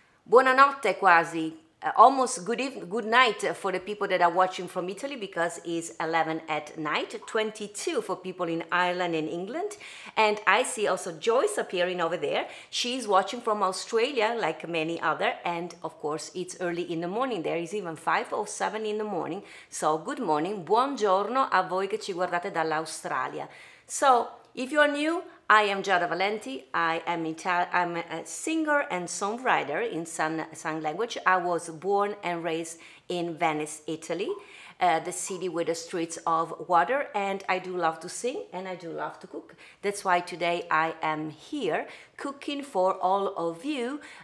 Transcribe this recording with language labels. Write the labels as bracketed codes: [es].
[it] Buonanotte quasi. [en] Almost good evening, good night for the people that are watching from Italy, because it's 11 at night, 22 for people in Ireland and England. And I see also Joyce appearing over there. She's watching from Australia like many other, and of course it's early in the morning. There is even 5:07 in the morning. So good morning, [it] buongiorno a voi che ci guardate dall'Australia. [en] So if you are new, I am Giada Valenti. I am I'm a singer and songwriter in sign language. I was born and raised in Venice, Italy, the city with the streets of water, and I do love to sing and I do love to cook. That's why today I am here cooking for all of you.